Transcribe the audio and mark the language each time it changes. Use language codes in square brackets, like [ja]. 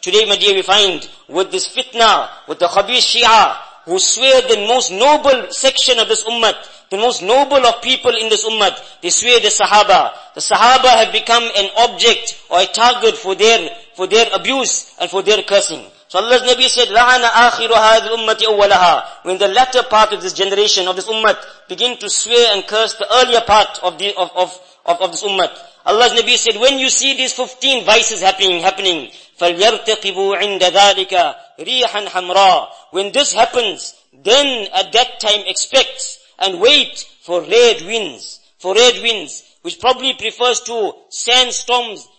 [en] Today, my dear, we find with this fitna, with the Khabith Shia, who swear the most noble section of this ummah, the most noble of people in this ummah, they swear the Sahaba. The Sahaba have become an object or a target for their abuse and for their cursing. So Allah's Nabi said, [ar] لَعَنَ آخِرُ هَذِ الْأُمَّةِ أَوَّلَهَا. [en] When the latter part of this generation, of this ummah, begin to swear and curse the earlier part of this ummah. Allah's Nabi said, when you see these 15 vices happening, [ar] فَلْيَرْتَقِبُوا عِنْدَ ذَلِكَ رِيحًا حَمْرًا. [en] When this happens, then at that time expect and wait for red winds, which probably prefers to sandstorms.